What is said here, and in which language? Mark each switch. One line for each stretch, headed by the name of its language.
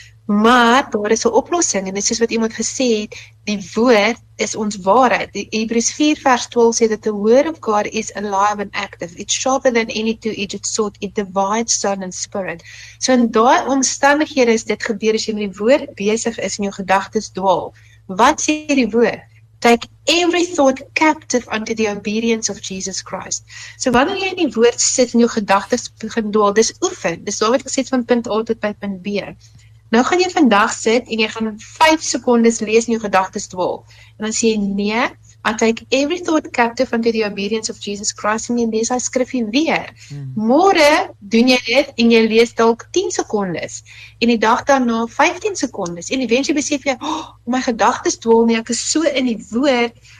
Afrikaans: Maar daar is 'n oplossing en dit is soos wat iemand gesê het, die woord is ons waarheid. Die Hebreërs 4 vers 12 sê dat
English: the word of God is alive and active. It's sharper than any two-edged sword. It divides soul and spirit.
Afrikaans: So in daai omstandighede is dit gebeur as jy met die woord besig is en jou gedagtes dwaal. Wat sê die woord?
English: Take every thought captive unto the obedience of Jesus Christ.
Afrikaans: So wanneer jy in die woord sit en jou gedagtes begin dwaal, dis oefen. Dis daar wat gesê het van punt A tot by punt B. Nou gaan jy vandag sit en jy gaan 5 sekondes lees en jou gedagtes dwaal. En dan sê jy, nee,
English: I take every thought captive unto the obedience of Jesus Christ.
Afrikaans: En jy lees hy skrifie weer. Môre doen jy dit en jy lees dalk 10 sekondes. En die dag daarna 15 sekondes. En eventueel besef jy, oh, my gedagtes dwaal nie, ek is so in die woord.